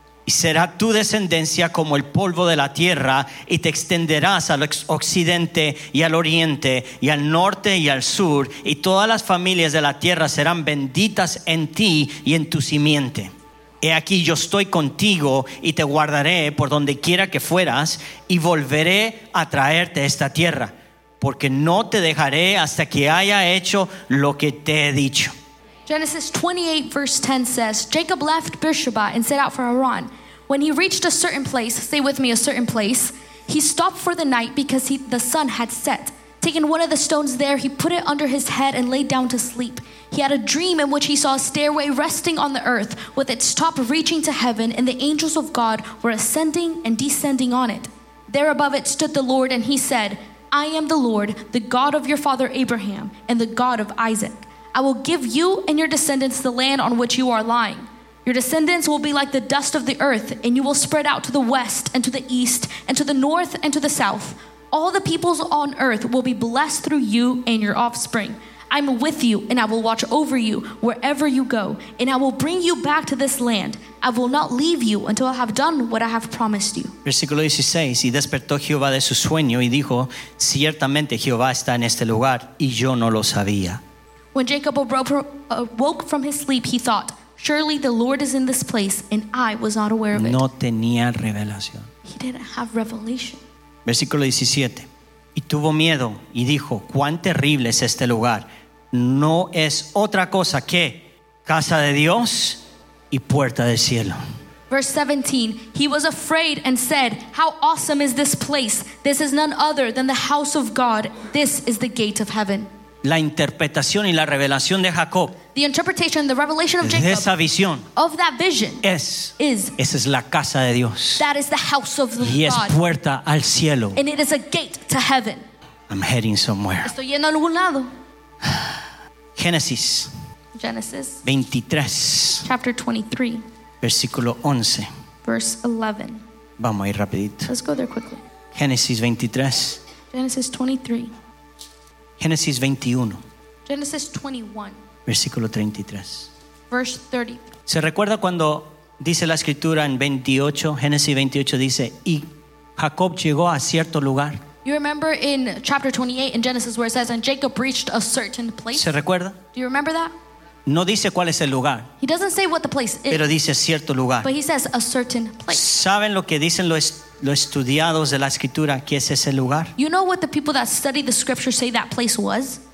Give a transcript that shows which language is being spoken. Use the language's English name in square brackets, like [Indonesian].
[Spanish] Y será tu descendencia como el polvo de la tierra y te extenderás al occidente y al oriente y al norte y al sur y todas las familias de la tierra serán benditas en ti y en tu simiente. He aquí yo estoy contigo y te guardaré por donde quiera que fueras y volveré a traerte a esta tierra porque no te dejaré hasta que haya hecho lo que te he dicho. [English] Genesis 28 verse 10 says, Jacob left Beersheba and set out for Haran. When he reached a certain place, stay with me a certain place, he stopped for the night because the sun had set. Taking one of the stones there, he put it under his head and lay down to sleep. He had a dream in which he saw a stairway resting on the earth with its top reaching to heaven, and the angels of God were ascending and descending on it. There above it stood the Lord, and he said, I am the Lord, the God of your father Abraham, and the God of Isaac. I will give you and your descendants the land on which you are lying. Your descendants will be like the dust of the earth, and you will spread out to the west and to the east and to the north and to the south. All the peoples on earth will be blessed through you and your offspring. I'm with you, and I will watch over you wherever you go, and I will bring you back to this land. I will not leave you until I have done what I have promised you. [Spanish] Versículo 16, y despertó Jehová de su sueño y dijo, ciertamente Jehová está en este lugar, y yo no lo sabía. [English] When Jacob awoke from his sleep, he thought, surely the Lord is in this place, and I was not aware of it. [Spanish] No tenía revelación. [English] He didn't have revelation. [Spanish] Versículo 17. Y tuvo miedo y dijo, cuán terrible es este lugar. No es otra cosa que casa de Dios y puerta del cielo. [English] Verse 17. He was afraid and said, how awesome is this place. This is none other than the house of God. This is the gate of heaven. [Spanish] La interpretación y la revelación de Jacob. [English] The interpretation and the revelation of Jacob. [Spanish] De esa visión. [English] Of that vision. [Spanish] Es. [English] Is. [Spanish] Esa es la casa de Dios. [English] That is the house of the Lord. [Spanish] Y es puerta al cielo. [English] And it is a gate to heaven. I'm heading somewhere. [Spanish] Estoy yendo a algún lado. [English] Genesis. Genesis. 23. Chapter 23. [Spanish] Versículo 11. [English] Verse 11. [Spanish] Vamos a ir rapidito. [English] Let's go there quickly. Genesis 23. Genesis 23. [Spanish] Génesis 21. [English] Genesis 21. [Spanish] Versículo 33. [English] Verse 30. [Spanish] ¿Se recuerda cuando dice la escritura en 28, Génesis 28 dice, y Jacob llegó a cierto lugar? [English] You remember in chapter 28 in Genesis where it says, and Jacob reached a certain place? [Spanish] ¿Se recuerda? [English] Do you remember that? [Spanish] No dice cuál es el lugar. [English] He doesn't say what the place is. [Spanish] Pero dice cierto lugar. [English] But he says a certain place. [Spanish] ¿Saben lo que dicen los estudiados de la escritura, qué es ese lugar? [English] You know what the people that study the scripture say that place was?